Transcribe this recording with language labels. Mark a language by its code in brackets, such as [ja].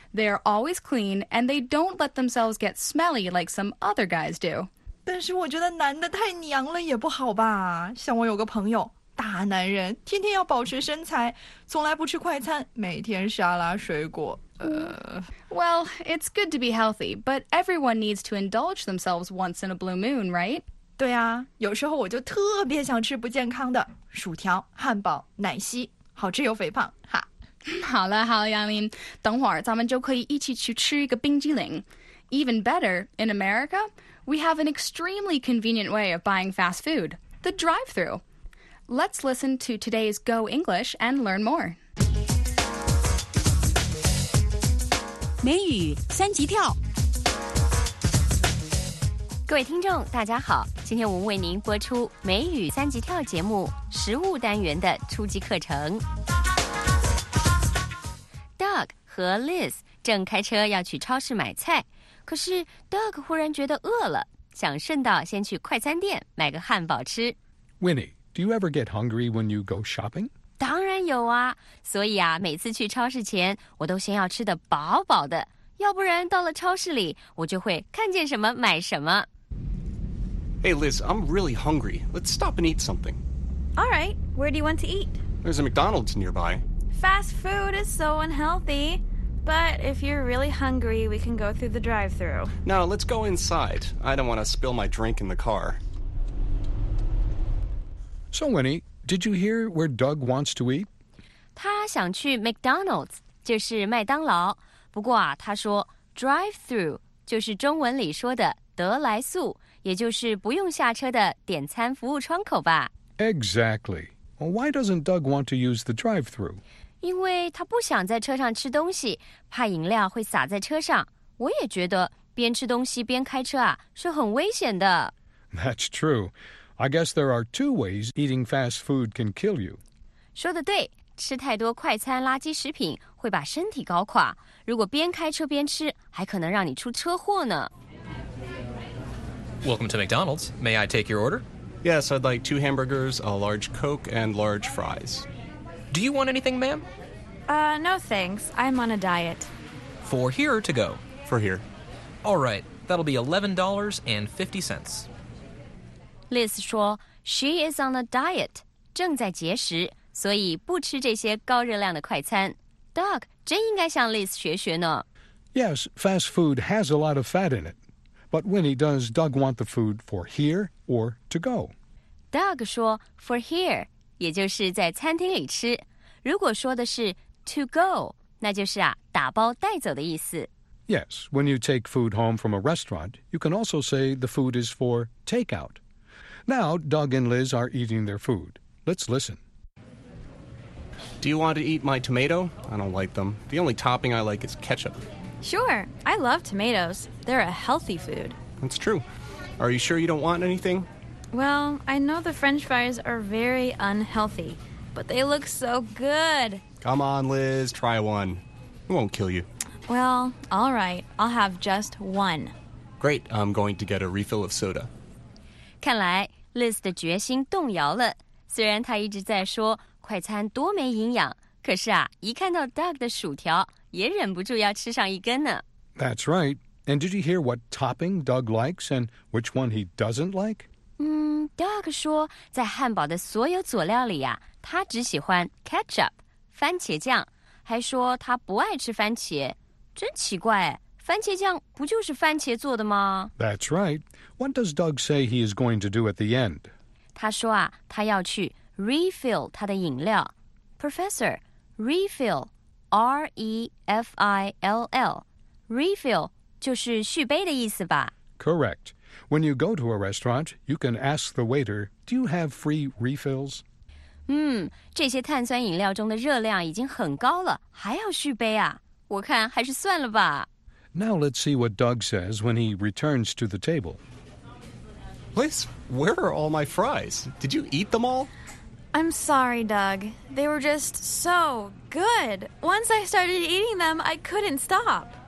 [en] They are always clean and they don't let themselves get smelly like some other guys do. [zh] 但是我觉得男的太娘了也不好吧，像我有个朋友大男人，天天要保持身材，从来不吃快餐，每天沙拉水果。 [en] Well, it's good to be healthy, but everyone needs to indulge themselves once in a blue moon, right? [zh] 对啊，有时候我就特别想吃不健康的薯条、汉堡、奶昔，好吃又肥胖，哈。好了好了，杨林，等会儿咱们就可以一起去吃一个冰激凌。 [en] Even better, in America, we have an extremely convenient way of buying fast food, the drive-thru. Let's listen to today's Go English and learn more. [zh] 美语三级跳。各位听众，大家好，今天我们为您播出美语三级跳节目实务单元的初级课程。 Doug 和 Liz 正开车要去超市买菜，可是 Doug 忽然觉得饿了，想顺道先去快餐店买个汉堡吃。 [en] Winnie. Do you ever get hungry when you go shopping? [zh] 当然有啊，所以啊，每次去超市前，我都先要吃得饱饱的，要不然到了超市里，我就会看见什么买什么。 [en] Hey Liz, I'm really hungry. Let's stop and eat something. All right, where do you want to eat? There's a McDonald's nearby. Fast food is so unhealthy, but if you're really hungry, we can go through the drive-thru. No, let's go inside. I don't want to spill my drink in the car. So, Winnie, did you hear where Doug wants to eat? [zh] 他想去 McDonald's, 就是麦当劳。不过啊，他说 drive-thru 就是中文里说的得来速，也就是不用下车的点餐服务窗口吧。 [en] Exactly. Well, why doesn't Doug want to use the drive-thru? [zh] 因为他不想在车上吃东西，怕饮料会洒在车上。我也觉得边吃东西边开车啊，是很危险的。 [en] That's true. I guess there are two ways eating fast food can kill you. [zh] 说得对，吃太多快餐垃圾食品会把身体搞垮。如果边开车边吃，还可能让你出车祸呢。 [en] Welcome to McDonald's. May I take your order? Yes, I'd like 2 hamburgers, a large Coke, and large fries. Do you want anything, ma'am? No thanks. I'm on a diet. For here or to go? For here. All right, that'll be $11.50. [zh] Liz 说 , [en] She is on a diet, [zh] 正在节食，所以不吃这些高热量的快餐。 Doug 真应该向 Liz 学学呢。 [en] Yes, fast food has a lot of fat in it. But Winnie, does Doug want the food for here or to go? [zh] Doug 说 ,for here, 也就是在餐厅里吃。如果说的是 to go, 那就是啊打包带走的意思。 [en] Yes, when you take food home from a restaurant, you can also say the food is for takeout. Now, Doug and Liz are eating their food. Let's listen. Do you want to eat my tomato? I don't like them. The only topping I like is ketchup. Sure, I love tomatoes. They're a healthy food. That's true. Are you sure you don't want anything? Well, I know the French fries are very unhealthy, but they look so good. Come on, Liz, try one. It won't kill you. Well, all right, I'll have just one. Great, I'm going to get a refill of soda. [zh] 看来 Liz 的决心动摇了，虽然他一直在说快餐多没营养，可是啊，一看到 Doug 的薯条也忍不住要吃上一根呢。 [en] That's right. And did you hear what topping Doug likes and which one he doesn't like? [zh] Doug 说在汉堡的所有佐料里啊，他只喜欢 ketchup, 番茄酱，还说他不爱吃番茄。真奇怪，番茄酱不就是番茄做的吗？ [en] That's right. What does Doug say he is going to do at the end? [zh] 他说啊，他要去 refill 他的饮料。 Professor, refill, R-E-F-I-L-L. Refill 就是续杯的意思吧？ [en] Correct. When you go to a restaurant, you can ask the waiter, do you have free refills? [zh] 这些碳酸饮料中的热量已经很高了，还要续杯啊？我看还是算了吧。 [en] Now let's see what Doug says when he returns to the table. Liz, where are all my fries? Did you eat them all? I'm sorry, Doug. They were just so good. Once I started eating them, I couldn't stop.